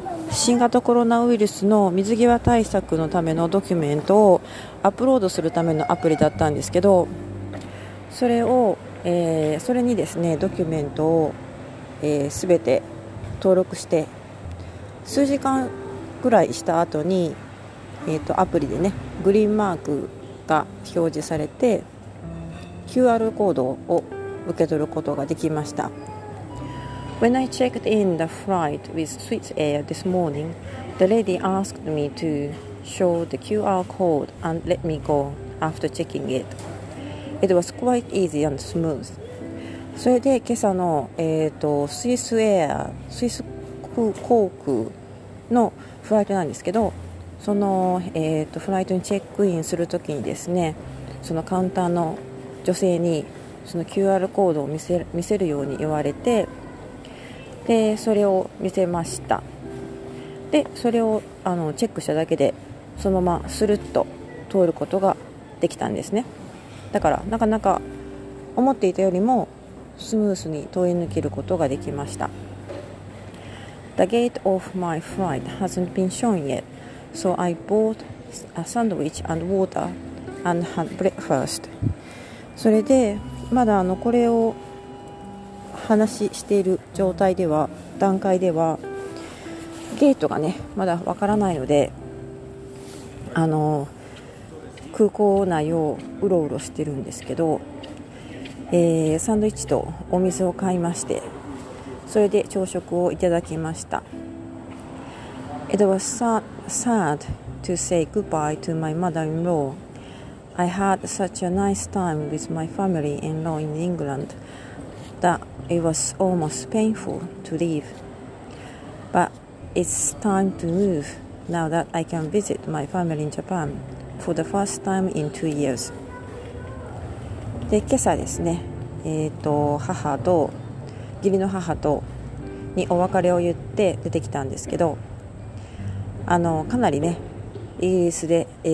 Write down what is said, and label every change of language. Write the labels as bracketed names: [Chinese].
[Japanese] 新型コロナウイルスの水際対策のためのドキュメントをアップロードするためのアプリだったんですけど、それを、それにですね、ドキュメントを、すべて登録して、数時間くらいした後に、アプリでね、グリーンマークが表示されて QR コードを受け取ることができました。 [English] When I checked in the flight with SwissAir this morning, the lady asked me to show the QR code and let me go after checking it. It was quite easy and smooth. [Japanese] それで今朝の、スイスエア、スイス航空のフライトなんですけど、その、フライトにチェックインするときにですね、そのカウンターの女性にその QR コードを見せるように言われて、で、それを見せました。で、それをチェックしただけでそのままスルッと通ることができたんですね。だからなかなか思っていたよりもスムースに通り抜けることができました。 [English] The gate of my flight hasn't been shown yet, so I bought a sandwich and water and had breakfast. [Japanese] それでまだこれを話している状態では、段階ではゲートがね、まだわからないので、空港内をうろうろしてるんですけど、サンドイッチとお水を買いまして、それで朝食をいただきました。 [English] It was sad to say goodbye to my mother-in-law. I had such a nice time with my family-in-law in England that it was almost painful to leave. But it's time to move now that I can visit my family in Japan for the first time in 2 years. [Japanese] で、今朝ですね、母と義理の母とにお別れを言って出てきたんですけど、かなりね、イギリスで、